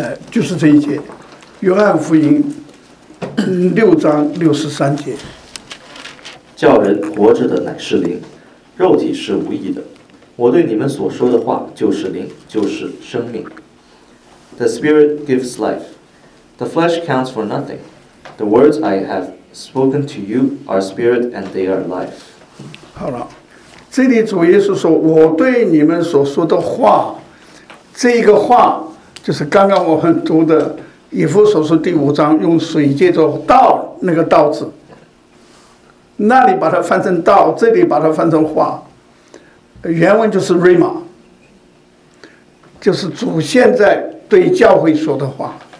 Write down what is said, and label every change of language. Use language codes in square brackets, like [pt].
[zh] 就是这一节，约翰福音六章六十三节。叫人活着的乃是灵，肉体是无益的。我对你们所说的话就是灵，就是生命。 [en] The spirit gives life. The flesh counts for nothing. The words I have spoken to you are spirit and they are life. [zh] 好了，这里主耶稣说，我对你们所说的话，这个话就是刚刚我们读的以弗所书第五章用水借着道那个道字，那里把它翻成道，这里把它翻成话，原文就是 Rhema， 就是主现在对教会说的话。